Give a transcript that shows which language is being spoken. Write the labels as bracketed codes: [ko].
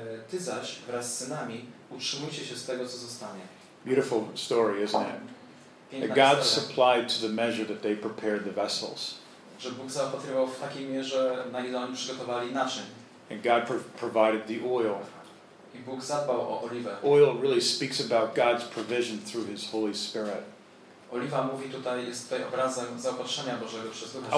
[pl] Ty zaś wraz z synami utrzymujcie się z tego, co zostanie. [en] Beautiful story, isn't it? [pl] Piękna [en] God [pl] historia. [en] Supplied to the measure that they prepared the vessels. [pl] Że Bóg zaopatrywał w takiej mierze, na ile oni przygotowali naczyń. [en] And God provided the oil. [pl] I Bóg zadbał o oliwę. [en] Oil really speaks about God's provision through His Holy Spirit. [pl] Oliwa mówi tutaj, jest tutaj obrazem zaopatrzenia Bożego przez Ducha.